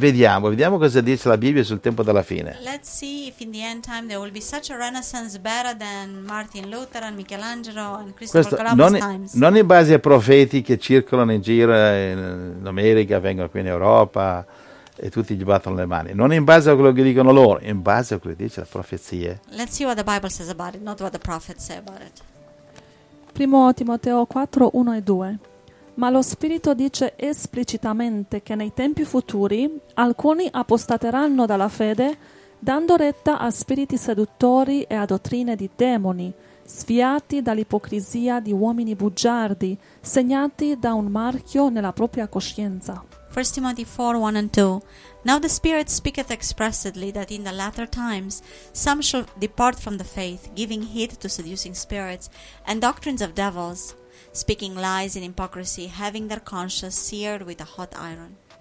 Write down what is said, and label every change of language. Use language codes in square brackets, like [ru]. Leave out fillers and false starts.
[it] Vediamo cosa dice la Bibbia sul tempo della fine. [en] Let's see if in the end time there will be such a renaissance better than Martin Luther and Michelangelo and Christopher Columbus times. [it] Non in base ai profeti che circolano in giro in America, vengono qui in Europa e tutti gli battono le mani. Non in base a quello che dicono loro, in base a quello che dice la profezia. [en] Let's see what the Bible says about it, not what the prophets say about it. [it] Primo Timoteo 4:1-2. Ma lo Spirito dice esplicitamente che nei tempi futuri alcuni apostateranno dalla fede, dando retta a spiriti seduttori e a dottrine di demoni, sviati dall'ipocrisia di uomini bugiardi, segnati da un marchio nella propria coscienza. [en] 1 Timothy 4:1-2. Now the Spirit speaketh expressly that in the latter times some shall depart from the faith, giving heed to seducing spirits and doctrines of devils, speaking lies in hypocrisy, having their conscience seared with a hot iron.